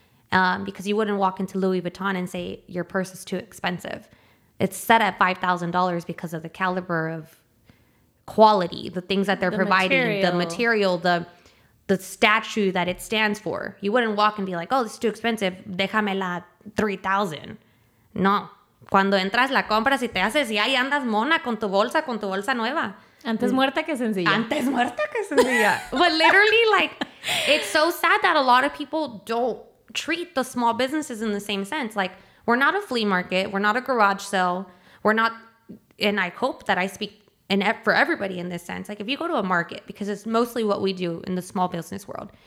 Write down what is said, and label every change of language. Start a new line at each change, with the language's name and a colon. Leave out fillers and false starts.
English: Because you wouldn't walk into Louis Vuitton and say your purse is too expensive. It's set at $5,000 because of the caliber of quality, the things that they're the providing, material. The material, the statue that it stands for. You wouldn't walk and be like, oh, this is too expensive.
Spanish: Déjame la 3,000. No. Cuando entras la compra, si te haces, ya andas mona con tu bolsa nueva. Antes muerta que sencilla. Antes muerta que sencilla.
English: But literally, like, it's so sad that a lot of people don't treat the small businesses in the same sense. Like, we're not a flea market. We're not a garage sale. We're not, and I hope that I speak and for everybody in this sense. Like, if you go to a market, because it's mostly what we do in the small business world.